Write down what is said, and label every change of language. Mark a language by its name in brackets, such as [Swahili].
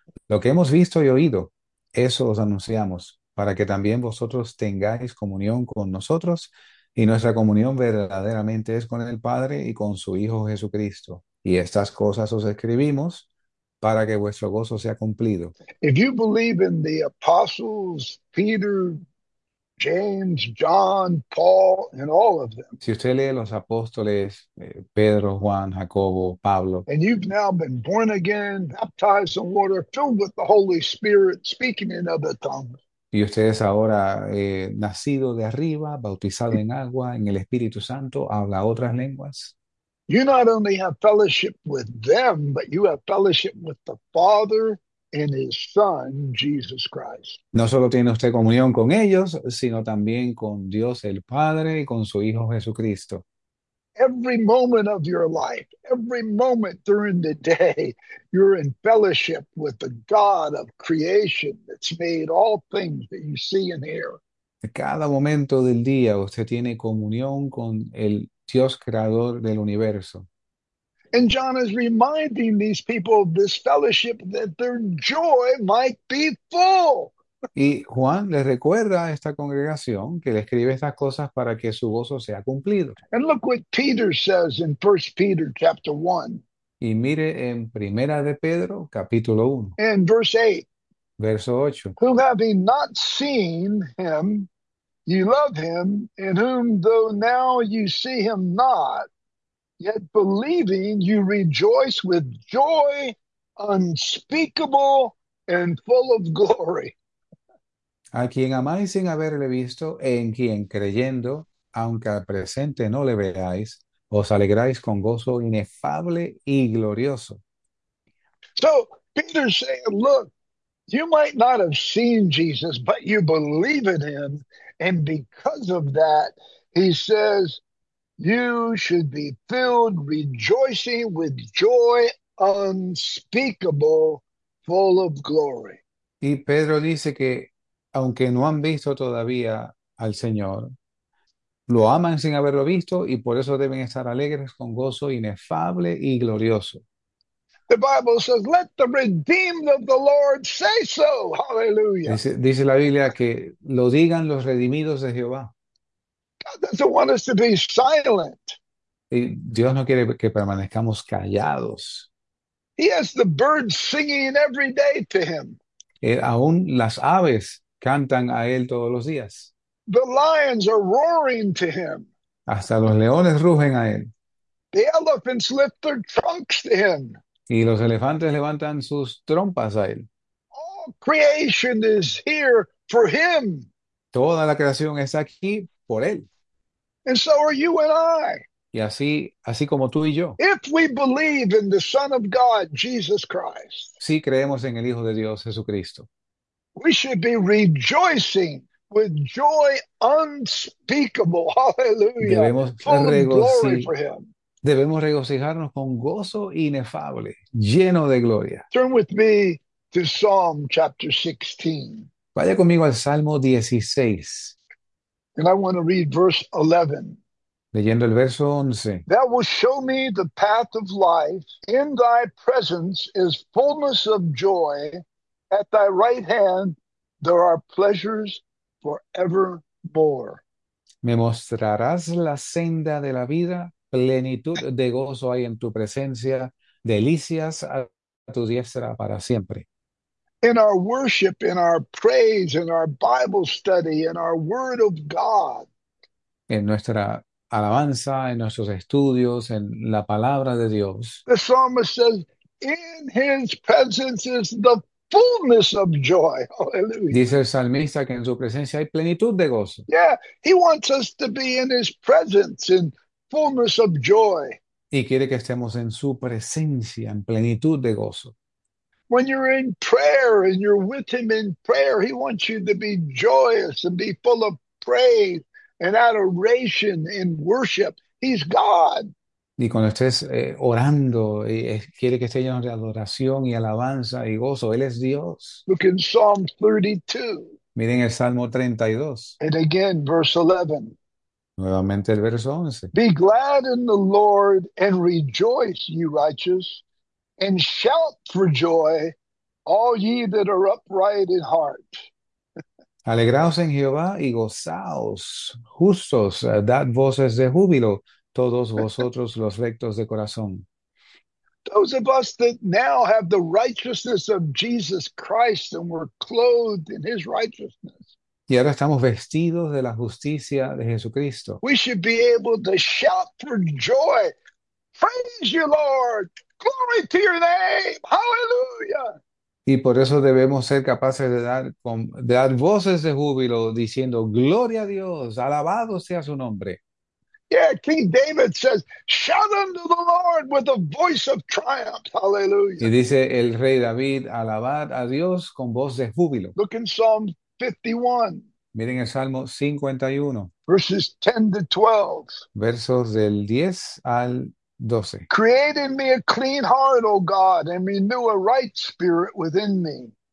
[Spanish] Lo que hemos visto y oído, eso os anunciamos, para que también vosotros tengáis comunión con nosotros. Y nuestra comunión verdaderamente es con el Padre y con su Hijo Jesucristo. Y estas cosas os escribimos para que vuestro gozo sea cumplido. [English] If you believe in the apostles, Peter, James, John, Paul, and all of them, [Spanish] Si usted lee los apóstoles, Pedro, Juan, Jacobo, Pablo. [English] and you've now been born again, baptized in water, filled with the Holy Spirit, speaking in other tongues. [Spanish] Y ustedes ahora, nacido de arriba, bautizado en agua, en el Espíritu Santo, habla otras lenguas. [English] You not only have fellowship with them, but you have fellowship with the Father in his son, Jesus Christ. [Spanish] No solo tiene usted comunión con ellos, sino también con Dios el Padre y con su Hijo Jesucristo. [English] Every moment of your life, every moment during the day, you're in fellowship with the God of creation that's made all things that you see and hear. [Spanish] Cada momento del día usted tiene comunión con el Dios creador del universo. [English] And John is reminding these people of this fellowship that their joy might be full. [Spanish] Y Juan le recuerda a esta congregación que le escribe estas cosas para que su gozo sea cumplido. [English] And look what Peter says in 1 Peter chapter 1 [Spanish] Y mire en Primera de Pedro, capítulo 1, [English] and verse 8. [Spanish] verso 8. [English] Whom having not seen him, you love him, in whom though now you see him not, yet believing, you rejoice with joy unspeakable and full of glory. [Spanish] A quien amáis sin haberle visto, en quien creyendo, aunque al presente no le veáis, os alegráis con gozo inefable y glorioso. [English] So Peter's saying, look, you might not have seen Jesus, but you believe in him. And because of that, he says, you should be filled rejoicing with joy unspeakable, full of glory. [Spanish] Y Pedro dice que aunque no han visto todavía al Señor, lo aman sin haberlo visto y por eso deben estar alegres con gozo inefable y glorioso. [English] The Bible says, let the redeemed of the Lord say so. Hallelujah. [Spanish] Dice la Biblia que lo digan los redimidos de Jehová. [English] Doesn't want us to be silent. [Spanish] Y Dios no quiere que permanezcamos callados. [English] He has the birds singing every day to him. [Spanish] Aún las aves cantan a él todos los días. [English] The lions are roaring to him. [Spanish] Hasta los leones rugen a él. [English] The elephants lift their trunks to him. [Spanish] Y los elefantes levantan sus trompas a él. [English] All creation is here for him. [Spanish] Toda la creación está aquí por él. [English] And so are you and I. [Spanish] Y así como tú y yo. [English] If we believe in the Son of God, Jesus Christ, [Spanish] Sí creemos en el Hijo de Dios, Jesucristo. [English] We should be rejoicing with joy unspeakable. Hallelujah. Full of glory for him. [Spanish] Debemos regocijarnos con gozo inefable, lleno de gloria. [English] Turn with me to Psalm chapter 16. [Spanish] Vaya conmigo al Salmo 16. [English] And I want to read verse 11. [Spanish] Leyendo el verso 11. [English] Thou wilt show me the path of life. In thy presence is fullness of joy. At thy right hand there are pleasures forevermore. [Spanish] Me mostrarás la senda de la vida, plenitud de gozo hay en tu presencia, delicias a tu diestra para siempre. [English] In our worship, in our praise, in our Bible study, in our Word of God. [Spanish] En nuestra alabanza, en nuestros estudios, en la palabra de Dios. [English] The psalmist says, in his presence is the fullness of joy. [Spanish] Dice [English] Hallelujah. [Spanish] el salmista que en su presencia hay plenitud de gozo. [English] Yeah, he wants us to be in his presence in fullness of joy. [Spanish] Y quiere que estemos en su presencia, en plenitud de gozo. [English] When you're in prayer and you're with him in prayer, he wants you to be joyous and be full of praise and adoration and worship. He's God. [Spanish] Y cuando estés orando, quiere que esté lleno de adoración y alabanza y gozo. Él es Dios. [English] Look in Psalm 32. [Spanish] Miren el Salmo 32. [English] And again, verse 11. [Spanish] Nuevamente el verso 11. [English] Be glad in the Lord and rejoice, ye righteous, and shout for joy, all ye that are upright in heart. [Spanish] Alegraos en Jehová y gozaos, justos, dad voces de júbilo, todos vosotros los rectos de corazón. [English] Those of us that now have the righteousness of Jesus Christ and we're clothed in his righteousness, [Spanish] Y ahora estamos vestidos de la justicia de Jesucristo. [English] we should be able to shout for joy. Praise you, Lord. Glory to your name. Hallelujah. [Spanish] Y por eso debemos ser capaces de dar voces de júbilo diciendo, Gloria a Dios, alabado sea su nombre. [English] Yeah, King David says, shout unto the Lord with a voice of triumph. [Spanish] Y [English] Hallelujah. [Spanish] dice el rey David, alabad a Dios con voz de júbilo. [English] Look in Psalm 51, [Spanish] Miren el Salmo 51, [English] verses 10 to 12. [Spanish] versos del 10 al 12. [English] Create in me a clean heart, O God, and renew a right spirit within me.